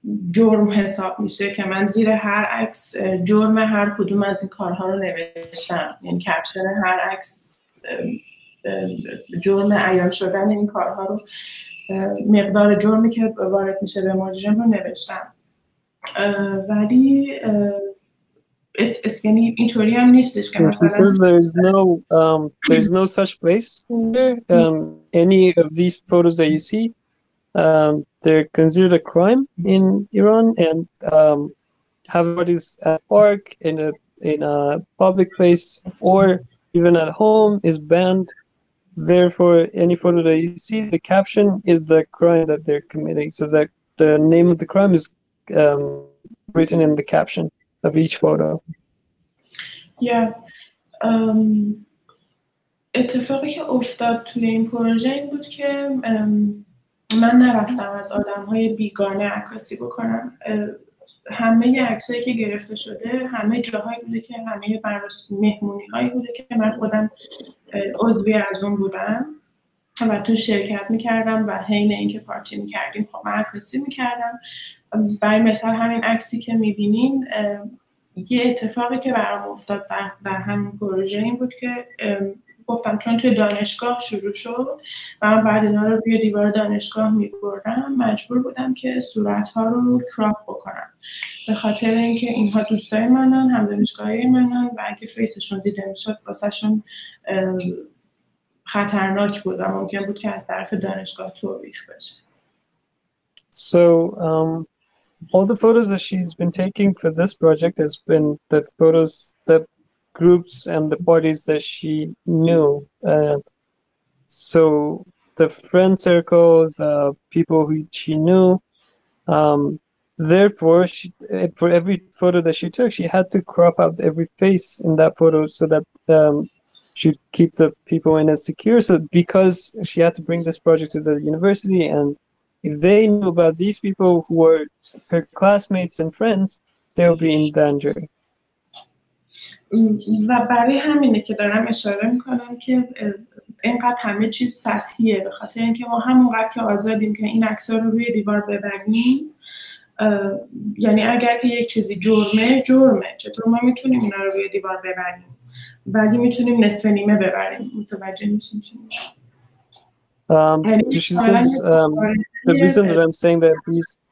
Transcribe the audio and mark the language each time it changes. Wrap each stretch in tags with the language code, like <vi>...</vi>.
<fa>جرم حساب میشه، که من زیر هر عکس جرم هر کدوم از این کارها رو نوشتم، یعنی کپشن هر عکس جرم عیان شدن این کارها رو، مقدار جرمی که وارد میشه به مجرم رو نوشتم. ولی</fa> <en>It's she says there's no such place in there. Any of these photos that you see, they're considered a crime in Iran, and have bodies at park, in a public place, or even at home is banned. Therefore, any photo that you see, the caption is the crime that they're committing, so that the name of the crime is written in the caption of each photo. Yeah.</en> <fa>اتفاقی که افتاد توی این پروژه این بود که من نرفتم از آدم‌های بیگانه عکاسی بکنم. همه عکسایی که گرفته شده همه جاهایی بوده که همه برای مهمونی‌هایی بوده که من خودم عضوی از اون بودم و تو شرکت می‌کردم و حین اینکه پارتی می‌کردیم خب من عکاسی می‌کردم. برای مثال همین عکسی که می‌بینین یه اتفاقی که برام افتاد و همین پروژه این بود که گفتم چون توی دانشگاه شروع شد و من بعد اینا رو روی دیوار دانشگاه می بردم مجبور بودم که صورتها رو کراپ بکنم به خاطر اینکه اینها دوستای منن هم دانشگاهی منن و اگه فیسشون دیده می شد واسهشون خطرناک بود و ممکن بود که از طرف دانشگاه توبیخ بشه.</fa> <en>All the photos that she's been taking for this project has been the photos, the groups and the parties that she knew. So the friend circle, the people who she knew. Therefore, for every photo that she took, she had to crop out every face in that photo so that she'd keep the people in it secure. So because she had to bring this project to the university and if they knew about these people who were her classmates and friends, they'll be in danger.</en> <fa>و برای همینه که دارم اشاره میکنم که اینقدر همه چیز سطحیه به خاطر اینکه ما همونقدر که آزادیم که این عکس‌ها رو روی دیوار ببریم یعنی اگر که یک چیزی جرمه جرمه چطور ما میتونیم اینا رو روی دیوار ببریم بعدی میتونیم نصف نیمه ببریم متوجه میشیم چی میگم.</fa> <en>So she says the reason that I'm saying that these,</en>